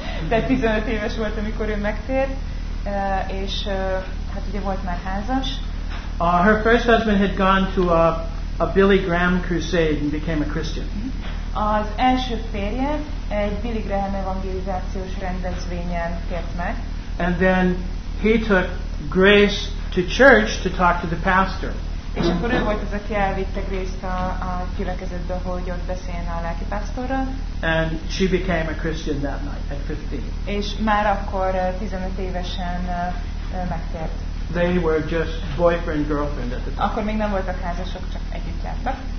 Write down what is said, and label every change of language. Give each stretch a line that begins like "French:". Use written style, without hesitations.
Hungarian: De 15 éves volt, amikor ő megtért, és hát ugye volt már házas.
English: Her first husband had gone to a Billy Graham crusade and became a Christian.
Hungarian: Az első férje egy Billy Graham evangelizációs rendezvényen tért meg.
English: And then he took Grace to church to talk to the pastor.
Hungarian: És akkor ő volt az, aki elvitte Grace-t a gyülekezetbe, hogy ott beszéljen a lelkipásztorral.
English: And she became a Christian that night at 15.
Hungarian: És már akkor 15 évesen megtért.
English: They were just boyfriend girlfriend at the time.
Hungarian: Akkor még nem voltak házasok, csak együtt jártak.